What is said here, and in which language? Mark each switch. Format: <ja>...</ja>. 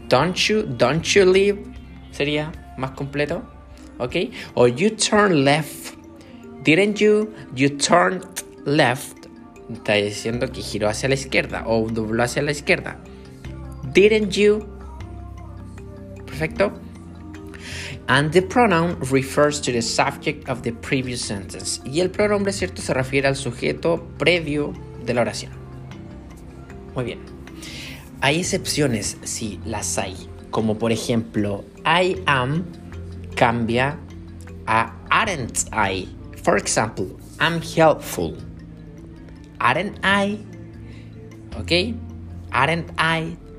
<en>Don't you live?</en> <es>Sería más completo. ¿Ok?</es> <en>O you turn left. Didn't you? You turned left.</en> <es>Está diciendo que giró hacia la izquierda o dobló hacia la izquierda.</es> <en>Didn't you? Perfecto. And the pronoun refers to the subject of the previous sentence.</en> <es>Y el pronombre, ¿cierto?, se refiere al sujeto previo de la oración. Muy bien. Hay excepciones, sí, las hay. Como por ejemplo, I am cambia a</es> <en>aren't I. For example, I'm helpful. Aren't I? ¿Ok? Aren't I?</en>